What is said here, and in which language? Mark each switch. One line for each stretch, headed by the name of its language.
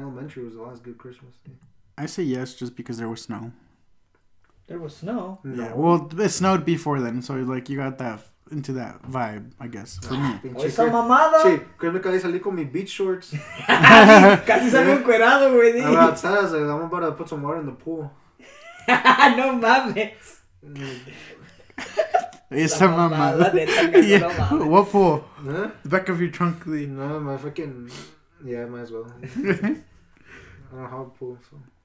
English: Elementary was the last good Christmas. I say yes just because there was snow. There was snow? Yeah, well, it snowed before then, so, like, you got that. Into that vibe, I guess, for me.
Spanish: Esa mamada. Sí, creo que salí con mis
English: beach shorts.
Spanish: Casi salí encuerado, güey.
English: I'm outside. I'm about to put some water in the pool.
Spanish: No mames. Esa mamada.
English: Yeah. What pool? Huh? The back of your trunk, Lee. No, my fucking. Yeah, might as well. I don't have a pool, so.